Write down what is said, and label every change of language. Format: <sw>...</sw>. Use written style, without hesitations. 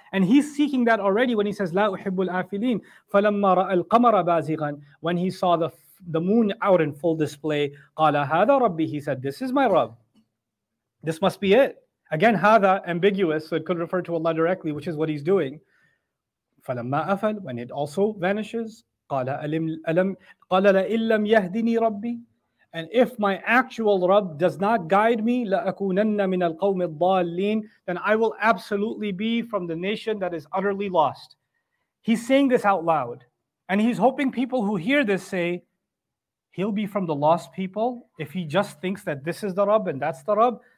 <en>And he's seeking that already when he says,</en> <ar>لَا أُحِبُّ الْآفِلِينَ. فَلَمَّا رَأَى الْقَمَرَ بَازِغًا.</ar> <en>When he saw the moon out in full display,</en> <ar>قَالَ هَذَا رَبِّي.</ar> <en>He said, this is my Rabb. This must be it. Again, هَذَا ambiguous, so it could refer to Allah directly, which is what he's doing.</en> <ar>فَلَمَّا أَفَلْ.</ar> <en>When it also vanishes,</en> <ar>قَالَ لَئِنْ لَمْ يَهْدِنِي رَبِّي.</ar> <en>And if my actual Rabb does not guide me,</en> <ar>لَأَكُونَنَّ مِنَ الْقَوْمِ الضَّالِّينَ,</ar> <en>then I will absolutely be from the nation that is utterly lost. He's saying this out loud. And he's hoping people who hear this say, he'll be from the lost people if he just thinks that this is the Rabb and that's the Rabb.</en>